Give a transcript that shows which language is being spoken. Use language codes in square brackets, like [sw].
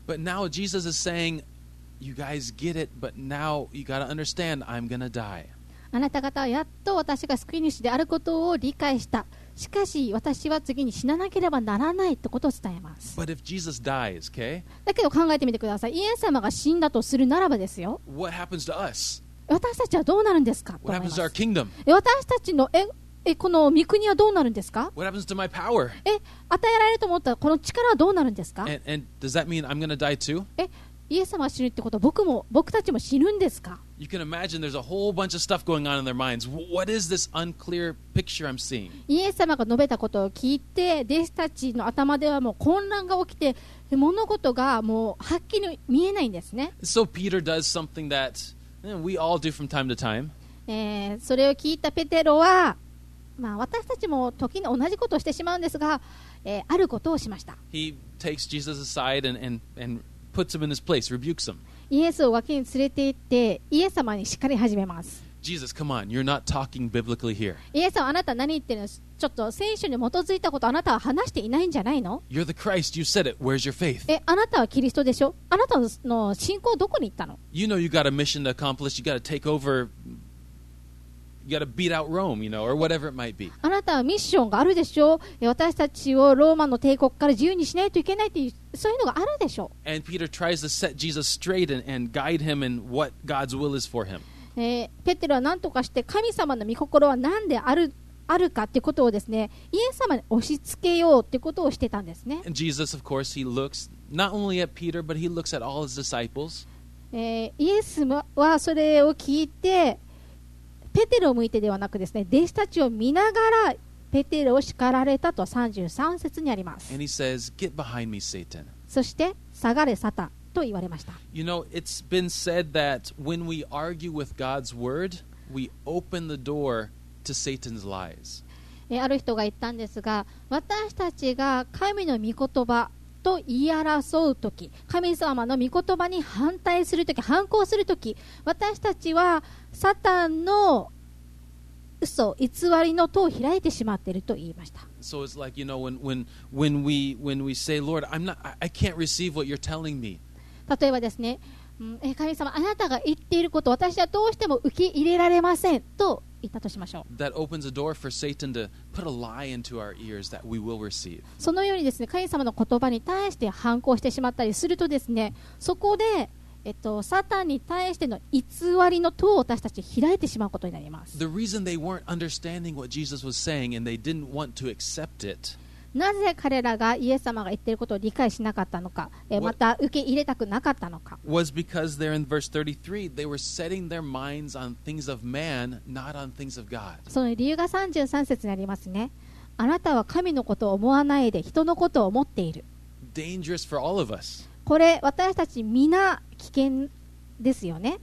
[en] But now Jesus is saying, you guys get it, but now you gotta understand, I'm gonna die. [ja] あなた方はやっと私が救い主であることを理解した、しかし私は次に死ななければならないということを伝えます。 [en] But if Jesus dies, okay? [ja] だけど考えてみてください。イエス様が死んだとするならばですよ、 [en] What happens to us? [ja] 私たちはどうなるんですか。 [en] What happens to our kingdom? [ja] 私たちのこの御国はどうなるんですか。 [en] What happens to my power? [ja] 与えられると思ったこの力はどうなるんですか。 [en] and does that mean I'm gonna die too? [ja] イエス様が死ぬってことは僕たちも死ぬんですか。 [en] You can imagine there's a whole bunch of stuff going on in their minds. What is this unclear picture I'm seeing? [ja] イエス様が述べたことを聞いて弟子たちの頭ではもう混乱が起きて物事がもうはっきり見えないんですね。 [en] So Peter does something that we all do from time to time. [ja] それを聞いたペテロは、まあ、私たちも時に同じことをしてしまうんですが、あることをしました。 [en] He takes Jesus aside and puts him in his place, rebukes him. [ja] イエスを脇に連れて行ってイエス様に叱り始めます。 [en] Jesus, come on, you're not talking biblically here. [ja] イエス様、あなた何言ってるの？ちょっと聖書に基づいたことあなたは話していないんじゃないの？ [en] You're the Christ, you said it. Where's your faith? [ja] あなたはキリストでしょ？あなたの信仰どこに行ったの？ [en] You know you got a mission to accomplish. You got to take over. You got to beat out Rome, you know, or whatever it might be. [ja] あなたはミッションがあるでしょ？私たちをローマの帝国から自由にしないといけないっていう、そういうのがあるでしょう。 [en] And Peter tries to set Jesus straight and guide him in what God's will is for him. [ja] ペテロは何とかして神様の御心は何であるかっていうことをですね、イエス様に押し付けようっていうことをしてたんですね。 [en] And Jesus, of course, he looks not only at Peter, but he looks at all his disciples. [ja] イエスはそれを聞いてペテロを向いてではなくですね、弟子たちを見ながらペテロを叱られたと33節にあります。 [en] And he says, "Get behind me, Satan." [ja] そして下がれサタンと言われました。 [en] You know, it's been said that when we argue with God's word, we open the door to Satan's lies. [ja] ある人が言ったんですが、私たちが神の御言葉と言い争うとき、神様の御言葉に反対するとき、反抗するとき、私たちはサタンの嘘、偽りの戸を開いてしまっていると言いました。 [en] So it's like, you know, when we say, Lord, I can't receive what you're telling me. [ja] 例えばですね、神様、あなたが言っていること、私はどうしても受け入れられませんと言ったとしましょう。 [en] That opens a door for Satan to put a lie into our ears that we will receive. [ja] そのようにですね、神様の言葉に対して反抗してしまったりするとですね、そこでサタンに対しての偽りの戸を私たち開いてしまうことになります。 [en] The reason they weren't understanding what Jesus was saying and they didn't want to accept it. [ja] なぜ彼らがイエス様が言っていることを理解しなかったのか、また受け入れたくなかったのか。 [en] Was because there in verse 33, they were setting their minds on things of man, not on things of God. [ja] その理由が33節にありますね。あなたは神のことを思わないで人のことを思っている。 [en] Dangerous for all of us. [ja] これ私たちみんな危険ですよね。